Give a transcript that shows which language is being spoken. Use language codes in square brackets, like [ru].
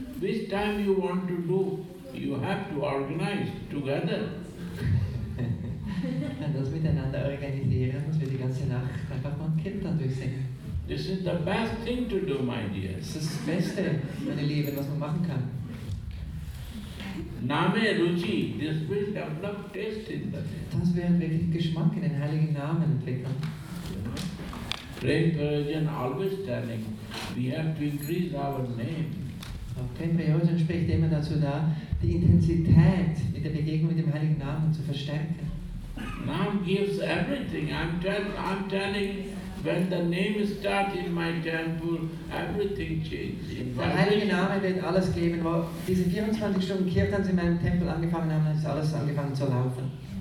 [en] Which time you want to do, you have to organize together. [de] Das miteinander organisieren, dass wir die ganze Nacht einfach mal Kirtan durchsingen. [en] This is the best thing to do, my dear. [de] Das ist das Beste, meine Liebe, was man machen kann. [en] Name Ruchi, this will develop taste in the name. [de] Das wird wirklich Geschmack in den heiligen Namen entwickeln. [en] Prem Prayojan always telling, we have to increase our name. [de] Prem Prayojan spricht immer dazu da, die Intensität in der Begegnung mit dem heiligen Namen zu verstärken. [en] Name gives everything. I'm telling, when the name starts in my temple, everything changes. [de] Der heilige Name wird alles geben. Wo diese 24 Stunden Kirtan in meinem Tempel angefangen haben, ist alles angefangen zu laufen.